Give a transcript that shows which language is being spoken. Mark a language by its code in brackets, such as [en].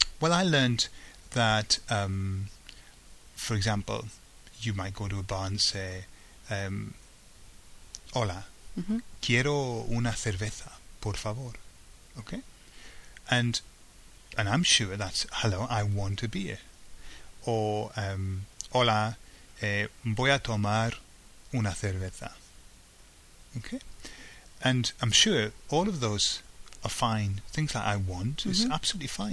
[en] Well, I learned that, for example, you might go to a bar and say, [es] hola, quiero una cerveza, por favor. [en] Okay? And I'm sure that's, hello, I want a beer. [es] Or, hola, voy a tomar una cerveza. [en] Okay, and I'm sure all of those are fine. Things like I want is absolutely fine.